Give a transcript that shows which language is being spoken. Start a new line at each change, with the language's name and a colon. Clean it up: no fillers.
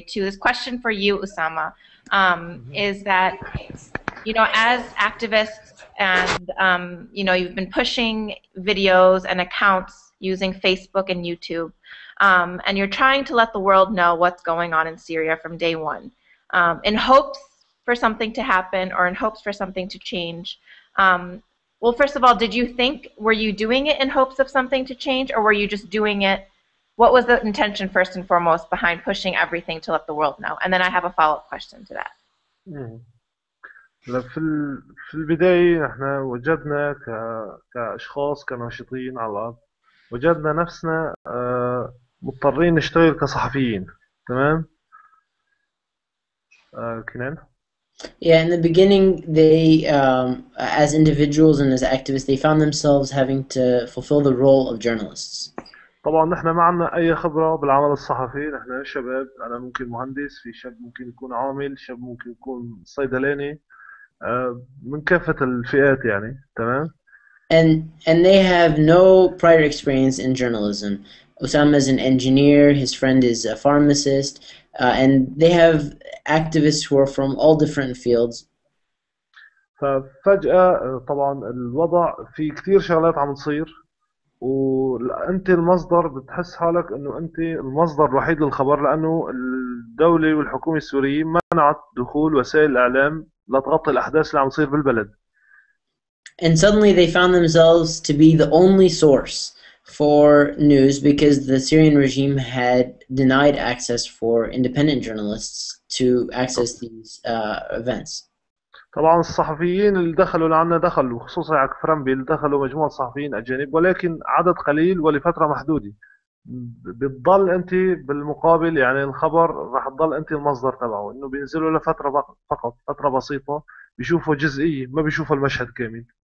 English: To this question for you, Usama, is that, you know, as activists and, you know, you've been pushing videos and accounts using Facebook and YouTube, and you're trying to let the world know what's going on in Syria from day one, in hopes for something to happen, or in hopes for something to change. Well, first of all, were you doing it in hopes of something to change, or were you just doing it, what was the intention first and foremost behind pushing everything to let the world know? And then I have a follow-up question to that.
Arabic: في البداية احنا وجدنا كأشخاص كناشطين على الأرض وجدنا نفسنا مضطرين نشتغل كصحفيين. تمام؟ كنان؟
English: Yeah, in the beginning, they, as individuals and as activists, they found themselves having to fulfill the role of journalists.
Arabic: طبعاً نحن ما عندنا أي خبرة بالعمل الصحفي. نحن شباب. أنا ممكن مهندس. في شاب ممكن يكون عامل. شاب ممكن يكون صيدلاني. من كافة الفئات يعني. تمام.
English: And they have no prior experience in journalism. Osama is an engineer. His friend is a pharmacist. And they have activists who are from all different fields.
Arabic: ففجأة طبعاً الوضع في كتير شغلات عم تصير وأنت المصدر بتحس حالك إنه أنت المصدر الوحيد للخبر لأنه الدولة والحكومة السورية منعت دخول وسائل الإعلام لتغطي الأحداث اللي عم تصير بالبلد.
English: And suddenly they found themselves to be the only source for news because the Syrian regime had denied access for independent journalists to access these events.
Arabic: طبعا الصحفيين اللي دخلوا لعنا دخلوا، خصوصا على كفرنبي اللي دخلوا مجموعة صحفيين أجانب، ولكن عدد قليل ولفترة محدودة. بتضل أنت بالمقابل، يعني الخبر راح تضل أنت المصدر تبعه، إنه بينزلوا لفترة فقط، فترة بسيطة، بيشوفوا جزئية، ما بيشوفوا المشهد كامل.